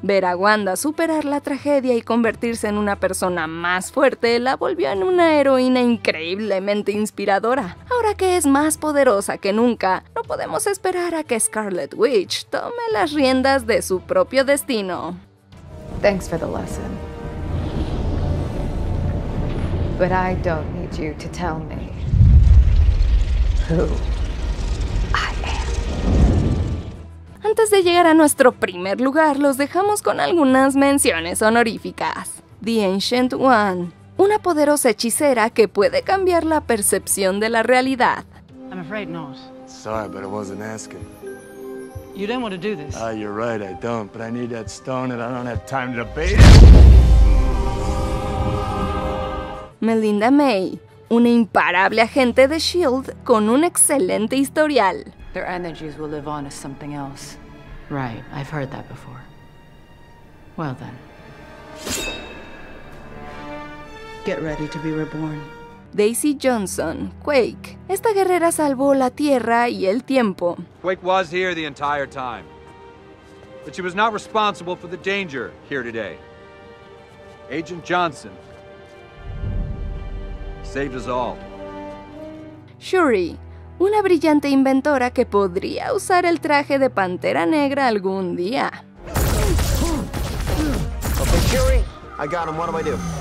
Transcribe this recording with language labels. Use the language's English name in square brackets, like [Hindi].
[Spanish] Ver a Wanda superar la tragedia y convertirse en una persona más fuerte la volvió en una heroína increíblemente inspiradora. Ahora que es más poderosa que nunca, no podemos esperar a que Scarlet Witch tome las riendas de su propio destino. [English] Thanks for the lesson. But I don't need you to tell me who I am. [Spanish] Antes de llegar a nuestro primer lugar, los dejamos con algunas menciones honoríficas. The Ancient One, una poderosa hechicera que puede cambiar la percepción de la realidad. [English] I'm afraid not. Sorry, but I wasn't asking. You don't want to do this. You're right, I don't. But I need that stone and I don't have time to debate. [Spanish] Melinda May, una imparable agente de S.H.I.E.L.D. con un excelente historial. [English] Their energies will live on as something else. Right, I've heard that before. Well then. Get ready to be reborn. [Spanish] Daisy Johnson, Quake. Esta guerrera salvó la Tierra y el tiempo. [English] Quake was here the entire time. But she was not responsible for the danger here today. Agent Johnson. Saved us all. [Spanish] Shuri, una brillante inventora que podría usar el traje de Pantera Negra algún día. [English] Okay, Shuri, I got him. What do I do?